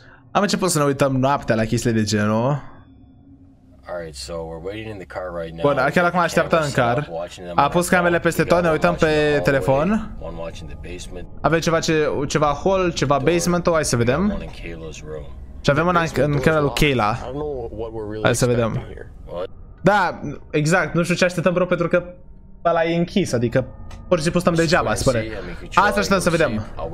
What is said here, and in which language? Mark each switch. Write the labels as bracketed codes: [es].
[ro] Am început să ne uităm noaptea la chestii de genul. [en] Alright, so we're waiting in the car right now. [ro] Bun, chiar acum așteaptă în car. A pus camerele peste tot, ne uităm pe telefon. Avem ceva, ceva hall, ceva basement, hai să vedem. Și avem una în camera lui Kayla. Hai să vedem. Da, exact, nu știu ce așteptăm, bro, pentru că ăla e închis, adică pur și simplu stăm degeaba, spune. Asta așteptăm să vedem.